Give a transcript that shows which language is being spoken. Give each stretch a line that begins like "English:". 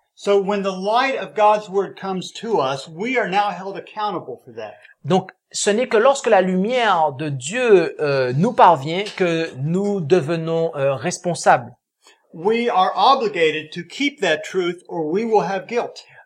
English: So when the light of God's word comes to us, we are now held accountable for that.
French: Donc, ce n'est que lorsque la lumière de Dieu nous parvient que nous devenons responsables.
English: We are obligated to keep that truth or we will have guilt.